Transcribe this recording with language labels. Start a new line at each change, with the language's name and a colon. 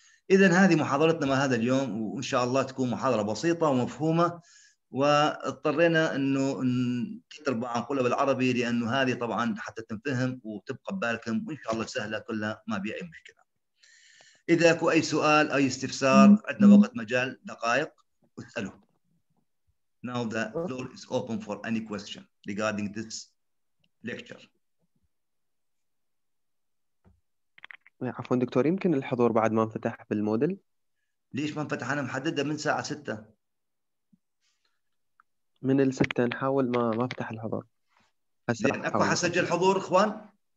Arabic: اذا هذه محاضرتنا ما هذا اليوم, وان شاء الله تكون محاضره بسيطه ومفهومه, واضطرينا انه نكتب بعض نقولها بالعربي لانه هذه طبعا حتى تنفهم وتبقى ببالكم, وان شاء الله سهله كلها ما بي اي مشكله. إذا أكو أي سؤال أي استفسار عندنا وقت مجال دقائق واسألوا.
English: Now the floor is open for any question regarding this lecture.
Arabic: عفوا دكتور، يمكن الحضور بعد ما انفتح بالمودل؟ ليش ما انفتح؟ انا محددة من ساعة 6. من الستة نحاول ما افتح الحضور. هسه زين راح اكو احاول حسجل اسجل. حضور اخوان؟